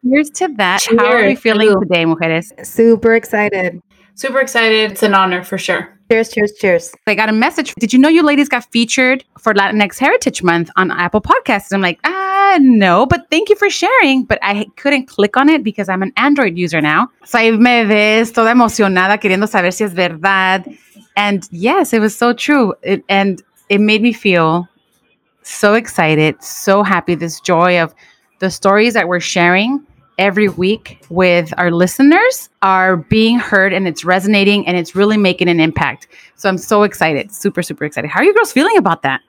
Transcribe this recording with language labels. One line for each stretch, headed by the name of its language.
English: Here's to that. Cheers. How are you feeling today, mujeres? Super excited. Super excited. It's an honor for sure. Cheers, cheers, cheers. I got a message. Did you know you ladies got featured for Latinx Heritage Month on Apple Podcasts? I'm like, no, but thank you for sharing. But I couldn't click on it because I'm an Android user now.
Spanish: So ahí me ves toda emocionada queriendo saber si es verdad.
English: And yes, it was so true. It made me feel so excited, so happy, this joy of the stories that we're sharing every week with our listeners are being heard and it's resonating and it's really making an impact. So I'm so excited, super, super excited. How are you girls feeling about that?